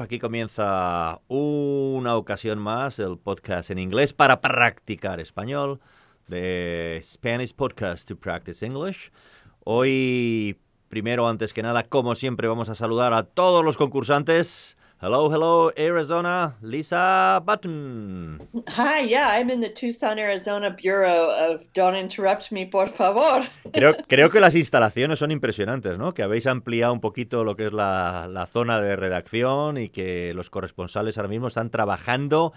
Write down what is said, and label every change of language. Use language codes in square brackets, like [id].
[es] Aquí comienza una ocasión más del podcast en inglés para practicar español. [en] The Spanish podcast to practice English. [es] Hoy, primero, antes que nada, como siempre, vamos a saludar a todos los concursantes. [en] Hello, hello, Arizona. Lisa Button. Hi, yeah, I'm in the Tucson, Arizona Bureau of Don't Interrupt Me, [es] por favor. Creo que las instalaciones son impresionantes, ¿no? Que habéis ampliado un poquito lo que es la zona de redacción y que los corresponsales ahora mismo están trabajando.